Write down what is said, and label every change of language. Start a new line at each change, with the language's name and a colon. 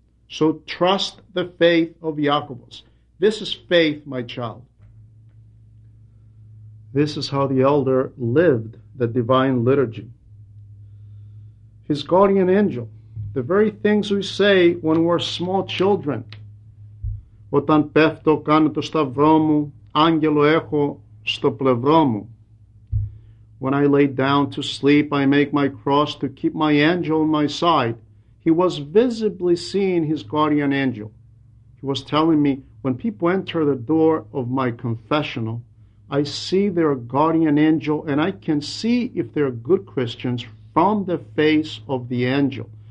English: So trust the faith of Iacobus. This is faith, my child. This is how the elder lived the divine liturgy. His guardian angel, the very things we say when we're small children.
Greek: Όταν πέφτω κάνω το σταυρό μου, άγγελο έχω στο πλευρό μου.
English: When I lay down to sleep, I make my cross to keep my angel on my side. He was visibly seeing his guardian angel. He was telling me, when people enter the door of my confessional, I see their guardian angel and I can see if they're good Christians from the face of the angel.